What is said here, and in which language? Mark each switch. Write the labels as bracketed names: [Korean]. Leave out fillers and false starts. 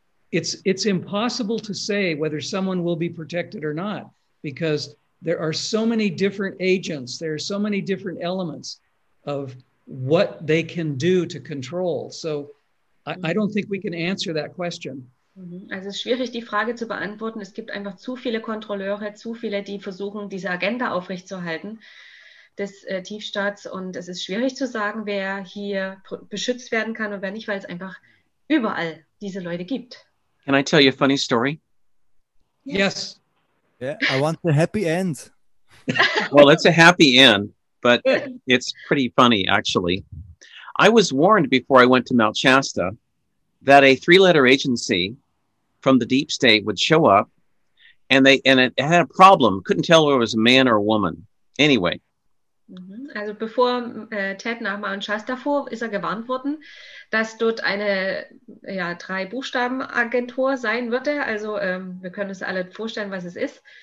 [English] It's impossible to say whether someone will be protected or not, because there are so many different agents, there are so many different elements of what they can do to control. So I don't think we can answer that question. [German] Also es ist schwierig, die Frage zu beantworten. Es gibt einfach zu viele Kontrolleure, zu viele, die versuchen, diese Agenda aufrechtzuerhalten des Tiefstaats. Und es ist schwierig zu sagen, wer hier beschützt werden kann und wer nicht, weil es einfach überall diese Leute gibt. [English] Can I tell you a funny story? Yes. Yeah, I want the happy end. Well, it's a happy end, but it's pretty funny, actually. I was warned before I went to Mount Shasta that a three-letter agency from the deep state would show up, and it had a problem. Couldn't tell whether it was a man or a woman. Anyway. [German] Also bevor Ted nach Mount Shasta fuhr, ist er gewarnt worden, dass dort eine Drei-Buchstaben-Agentur sein würde. Also wir können uns alle vorstellen, was es ist.